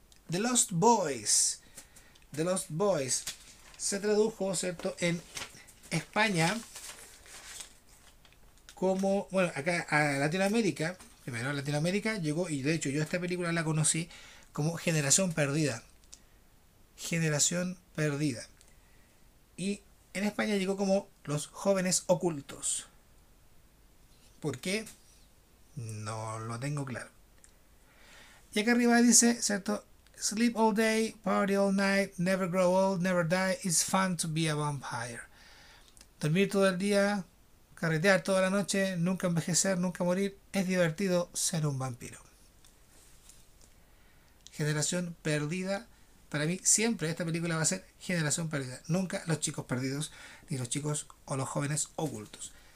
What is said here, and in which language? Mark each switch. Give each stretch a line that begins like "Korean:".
Spanish: The Lost Boys. The Lost Boys se tradujo, ¿cierto?, en España como, bueno, acá a Latinoamérica, primero a Latinoamérica llegó, y de hecho yo esta película la conocí como Generación Perdida. Generación Perdida. Y en España llegó como Los Jóvenes Ocultos. ¿Por qué? No lo tengo claro. Y acá arriba dice, ¿cierto?
English: Sleep all day, party all night, never grow old, never die, it's fun to be a vampire.
Spanish: Dormir todo el día, carretear toda la noche, nunca envejecer, nunca morir, es divertido ser un vampiro. Generación perdida, para mí siempre esta película va a ser Generación perdida, nunca Los chicos perdidos, ni Los chicos o Los jóvenes ocultos.